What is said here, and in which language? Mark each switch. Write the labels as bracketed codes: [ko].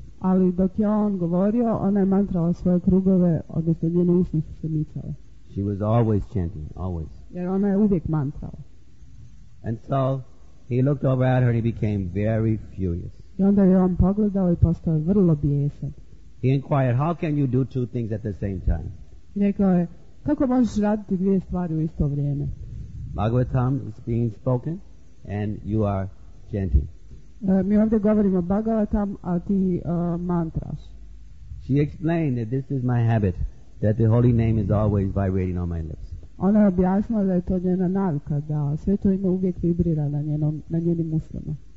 [hr] Ali dok je on govorio, ona je mantrala svoje krugove, odnosno njene usne su se micale. [en] She was always chanting, always. [hr] Jer ona je uvijek mantrala. [en] And so, he looked over at her and he became very furious. [hr] I onda je on pogledao i postao vrlo bijesan. [en] He inquired, how can you do two things at the same time? [hr] I rekao je, kako možeš raditi dvije stvari u isto vrijeme? [en] Bhagavatam is being spoken and you are chanting. [hr] Mi ovdje govorimo Bhagavatam, a ti mantraš. [en] She explained that this is my habit, that the holy name is always vibrating on my lips. [hr] Ona objasnila da je to njena navika, da sveto ime uvijek vibrira na njenim usnama.